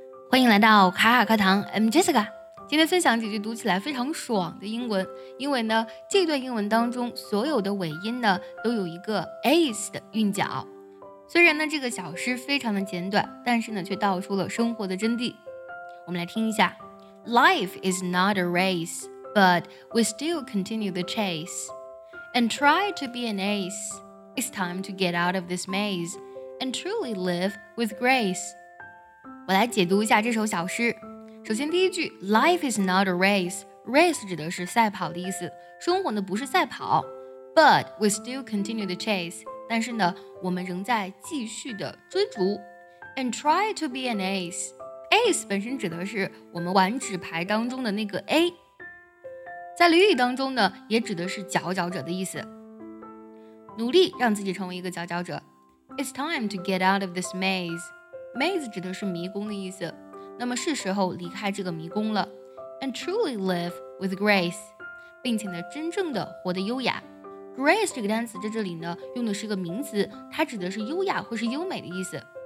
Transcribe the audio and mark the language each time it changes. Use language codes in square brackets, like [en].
[zh] 欢迎来到卡卡课堂 ， [en] I'm Jessica。 [zh] 今天分享几句读起来非常爽的英文，因为呢，这段英文当中所有的尾音呢都有一个 ace 的韵脚。虽然呢这个小诗非常的简短，但是呢却道出了生活的真谛。我们来听一下 [en] ：Life is not a race, but we still continue the chase, and try to be an ace. It's time to get out of this maze and truly live with grace. [zh] 我来解读一下这首小诗。首先第一句 [en] Life is not a race. [zh] Race 指的是赛跑的意思，生活呢不是赛跑。 [en] But we still continue the chase. [zh] 但是呢我们仍在继续的追逐。 [en] And try to be an ace. [zh] Ace 本身指的是我们玩纸牌当中的那个 A， 在俚语当中呢也指的是佼佼者的意思，努力让自己成为一个佼佼者。 [en] It's time to get out of this maze [zh] Maze 指的是迷宫的意思，那么是时候离开这个迷宫了。 [en] And truly live with grace， [zh] 并且呢真正的活得优雅。 [en] Grace [zh] 这个单词在这里呢用的是个名词，它指的是优雅或是优美的意思。